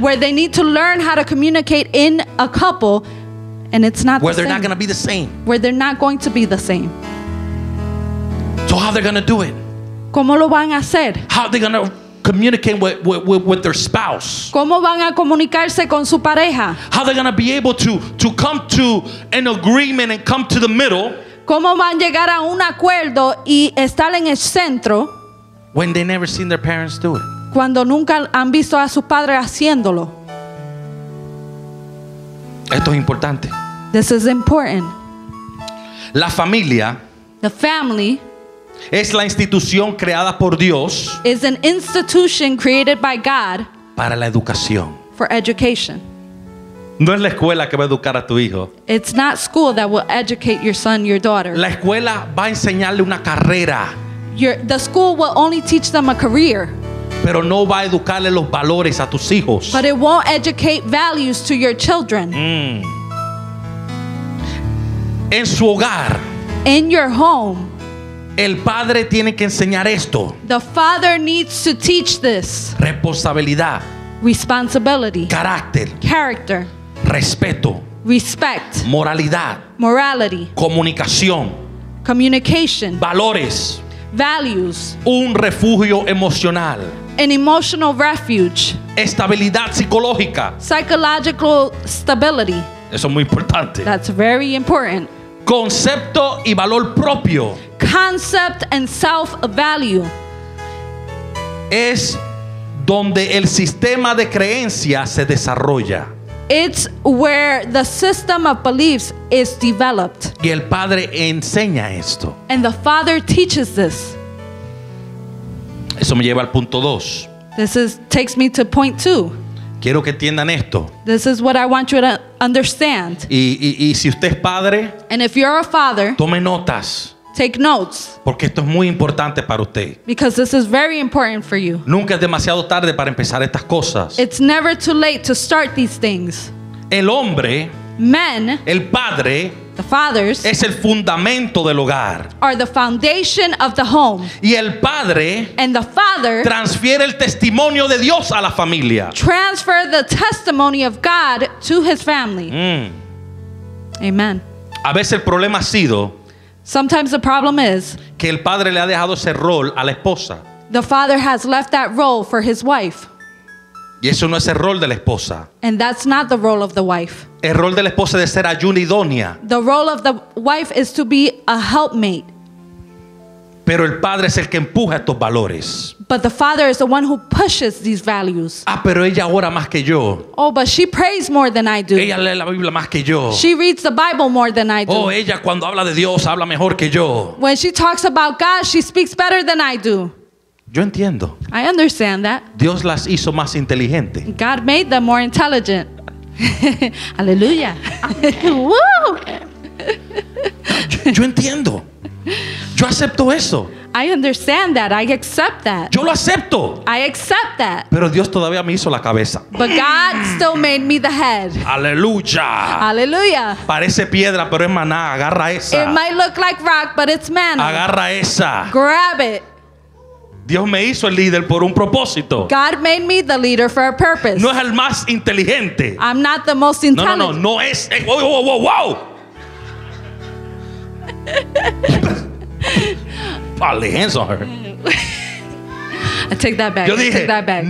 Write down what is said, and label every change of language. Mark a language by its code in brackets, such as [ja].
[en] Where they need to learn how to communicate in a couple and it's not where the same. Not gonna be the same, where they're not going to be the same. So how they're gonna do it? [es] ¿Cómo lo van a hacer? [en] How they're gonna communicate with their spouse? [es] ¿Cómo van a comunicarse con su pareja? [en] How they're gonna be able to come to an agreement and come to the middle? [es] ¿Cómo van a llegar a un acuerdo y estar en el centro? [en] When they never seen their parents do it. [es] Cuando nunca han visto a sus padres haciéndolo. Esto es importante. [en] This is important. [es] La familia, [en] the family, [es] es la institución creada por Dios, [en] is an institution created by God, [es] para la educación, [en] for education. [es] No es la escuela que va a educar a tu hijo. [en] It's not school that will educate your son, your daughter. [es] La escuela va a enseñarle una carrera. [en] The school will only teach them a career. [es] Pero no va a educarle los valores a tus hijos. [en] But it won't educate values to your children. [es] En su hogar. [en] In your home. [es] El padre tiene que enseñar esto. [en] The father needs to teach this. [es] Responsabilidad. [en] Responsibility. [es] Carácter. [en] Character. [es] Respeto. [en] Respect. [es] Moralidad. [en] Morality. [es] Comunicación. [en] Communication. [es] Valores. [en] Values. [es] Un refugio emocional. [en] An emotional refuge. [es] Estabilidad psicológica. [en] Psychological stability. [es] Eso es muy importante. [en] That's very important. [es] Concepto y valor propio. [en] Concept and self value. [es] Es donde el sistema de creencias se desarrolla. [en] It's where the system of beliefs is developed. [es] Y el padre enseña esto. [en] And the father teaches this. [es] Eso me lleva al punto 2. [en] This is, takes me to point 2. [es] Quiero que entiendan esto. [en] This is what I want you to understand. [es] Y si usted es padre, [en] and if you're a father, [es] tome notas. [en] Take notes. [es] Porque esto es muy importante para usted. [en] Because this is very important for you. [es] Nunca es demasiado tarde para empezar estas cosas. [en] It's never too late to start these things. [es] El hombre, [en] men, [es] el padre, [en] the fathers, [es] es el fundamento del hogar. [en] Are the foundation of the home. [es] Y el padre, [en] and the father, [es] transfiere el testimonio de Dios a la familia. [en] Transfer the testimony of God to his family. Mm. Amen. [es] A veces el problema ha sido, [en] sometimes the problem is, [es] que el padre le ha dejado ese rol a la esposa. [en] The father has left that role for his wife. [es] Y eso no es el rol de la esposa. [en] And that's not the role of the wife. [es] El rol de la esposa es de ser ayuda idónea. [en] The role of the wife is to be a helpmate. [es] Pero el padre es el que empuja estos valores. [en] But the father is the one who pushes these values. [es] Ah, pero ella ora más que yo. [en] Oh, but she prays more than I do. [es] Ella lee la Biblia más que yo. [en] She reads the Bible more than I do. [es] Oh, ella cuando habla de Dios habla mejor que yo. [en] When she talks about God, she speaks better than I do. [es] Yo entiendo. [en] I understand that. [es] Dios las hizo más inteligente. [en] God made them more intelligent. Aleluya. Woo! [es] Yo entiendo. Yo acepto eso. [en] I understand that. I accept that. [es] Yo lo acepto. [en] I accept that. [es] Pero Dios todavía me hizo la cabeza. [en] But God still made me the head. [es] Aleluya. Aleluya. Parece piedra, pero es maná. Agarra esa. [en] It might look like rock, but it's maná. [es] Agarra esa. [en] Grab it. [es] Dios me hizo el líder por un propósito. [en] God made me the leader for a purpose. [es] No es el más inteligente. [en] I'm not the most intelligent. [es] No es. Wow. [en] Probably hands on her. I take that back. [es] Yo dije, [en] I take that back.